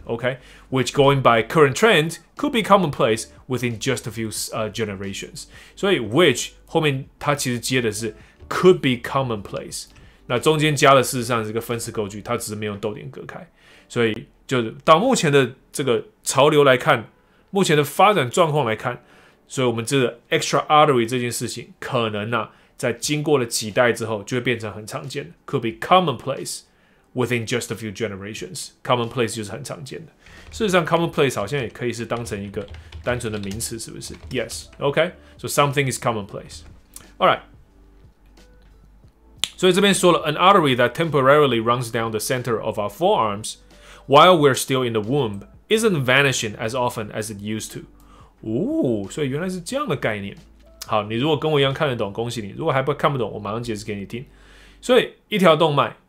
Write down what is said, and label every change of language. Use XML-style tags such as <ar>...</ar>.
<en>OK, which going by current trend could be commonplace within just a few generations.</en> <zh>所以 which 后面它其实接的是。</zh> <en>Could be commonplace.</en> <zh>那中间加的事实上是一个分词构句，它只是没有逗点隔开，所以就到目前的这个潮流来看，目前的发展状况来看，所以我们这个</zh> <en>extra artery</en> <zh>这件事情，可能啊，在经过了几代之后，就会变成很常见的。</zh> <en>Could be commonplace within just a few generations.</en> <zh>Commonplace 就是很常见的。事实上 ，commonplace 好像也可以是当成一个单纯的名词，是不是 ？</zh> <en>Yes. Okay. So something is commonplace. All right.</en> <zh>所以这边说了</zh> <en>，an artery that temporarily runs down the center of our forearms while we're still in the womb isn't vanishing as often as it used to。</en> <zh>哦，所以原来是这样的概念。好，你如果跟我一样看得懂，恭喜你；如果还不看不懂，我马上解释给你听。所以一条动脉，</zh>